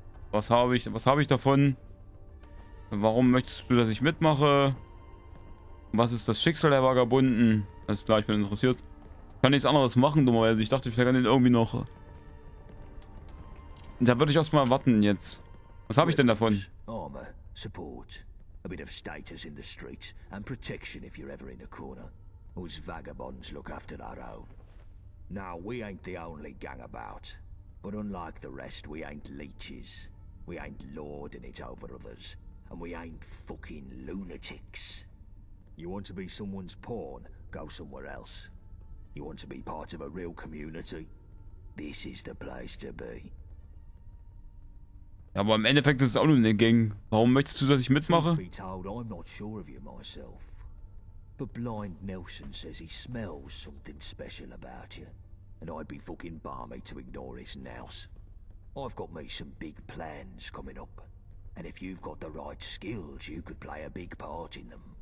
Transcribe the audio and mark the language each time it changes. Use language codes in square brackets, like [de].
[de] Was habe ich davon? Warum möchtest du, dass ich mitmache? Was ist das Schicksal der Vagabunden? Alles klar, ich bin interessiert. Ich kann nichts anderes machen, dummerweise. Ich dachte, ich kann den irgendwie noch. Da würde ich erstmal warten jetzt. Was habe ich denn davon? [en] Armor, Support, a bit of status in the streets and protection if you're ever in a corner. Those vagabonds look after our own. Now we ain't the only gang about, but unlike the rest, we ain't leeches. We ain't lording it over others, and we ain't fucking lunatics. You want to be someone's pawn? Go somewhere else. You want to be part of a real community? This is the place to be. [de] Ja, aber im Endeffekt ist es auch nur eine Gang. Warum möchtest du, dass ich mitmache? [en] Be told, I'm not sure of you myself. But Blind Nelson says he smells something special about you. And I'd be fucking balmy to ignore his nouse. I've got me some big plans coming up. And if you've got the right skills, you could play a big part in them.